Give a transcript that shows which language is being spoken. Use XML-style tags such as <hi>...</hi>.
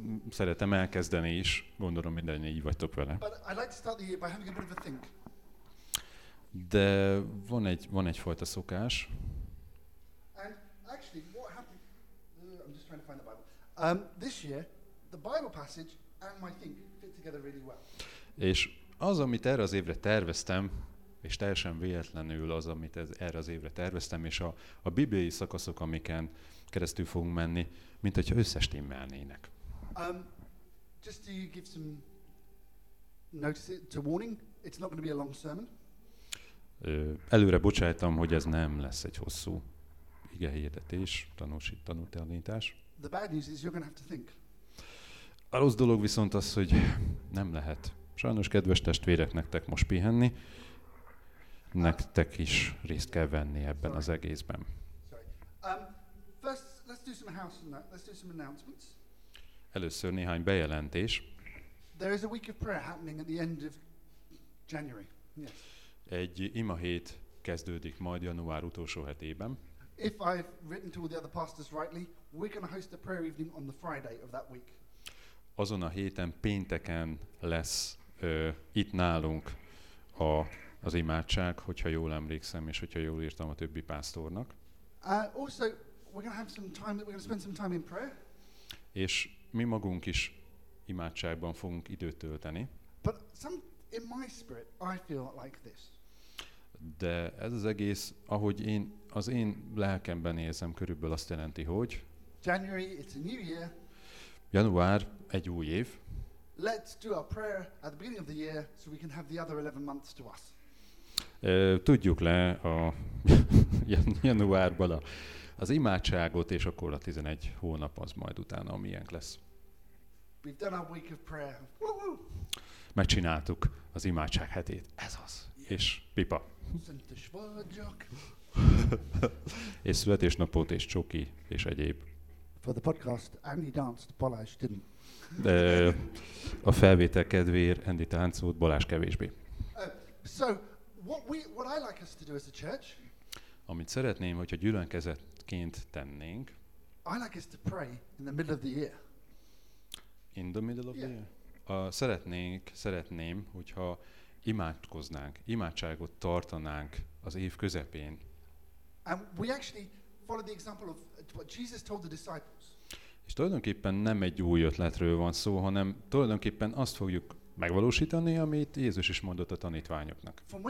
<hu>Szeretem elkezdeni is, gondolom minden így vagytok vele.</hu> <en>But I like to start the year by having a bit of a think.</en> <hu>De van egy fajta szokás.</hu> <en>And actually, what happened? I'm just trying to find the Bible. This year, the Bible passage and my think fit together really well.</en> <hu>És az, amit erre az évre terveztem, és teljesen véletlenül az, amit erre az évre terveztem, és a bibliai szakaszok, amiken keresztül fogunk menni, mint hogyha összestimmelnének.</hu> <en>Just to give some notice to warning, it's not going to be a long sermon.</en> <hu>Előre bocsájtam, hogy ez nem lesz egy hosszú igehirdetés, tanítás.</hu> <en>The bad news is you're going to have to think.</en> <hu>A rossz dolog viszont az, hogy nem lehet. Sajnos, kedves testvérek, nektek most pihenni, nektek is részt kell venni ebben az egészben.</hu> <en>First, let's do some house and let's do some announcements.</en> <hu>Először néhány bejelentés.</hu> <en>There is a week of prayer happening at the end of January. Yes.</en> <hu>Egy ima hét kezdődik majd január utolsó hetében.</hu> <en>If I've written to all the other pastors rightly, we're going to host a prayer evening on the Friday of that week.</en> <hu>Azon a héten pénteken lesz itt nálunk az imádság, hogyha jól emlékszem, és hogyha jól írtam a többi pásztornak.</hu> <en>Also, we're going to have some time, we're going to spend some time in prayer.</en> <hu>És mi magunk is imádságban fogunk időt tölteni.</hu> <en>But some, in my spirit, I feel like this.</en> <hu>De ez az egész, ahogy én, az én lelkemben érzem, körülbelül azt jelenti, hogy</hu> <en>January, it's a new year.</en> <hu>Január egy új év.</hu> <en>Let's do our prayer at the beginning of the year so we can have the other 11 months to us.</en> <hu>Tudjuk le a januárban az imádságot, és akkor a 11 hónap az majd utána a miénk lesz.</hu> <en>We've done our week of prayer. Woo-hoo!</en> <hu>Megcsináltuk az imádság hetét. Ez az.</hu> <en>Yeah.</en> <hu>És pipa. Szentes vagyok. És születésnapot, és csoki, és egyéb.</hu> <en>For the podcast, Andy danced, Balázs didn't.</en> <hu>De a felvétel kedvéért Andy táncolt, Balázs kevésbé.</hu> <en>So, what I like us to do as a church?</en> <hu>Amit szeretném, hogyha gyülekezetként tennénk.</hu> <en>I like us to pray in the middle of the year. In the middle of the year.</en> <hu>Szeretném, hogyha imádkoznánk, imádságot tartanánk az év közepén.</hu> <en>And we actually follow the example of what Jesus told the disciples.</en> <hu>És tulajdonképpen nem egy új ötletről van szó, hanem tulajdonképpen azt fogjuk megvalósítani, amit Jézus is mondott a tanítványoknak.</hu>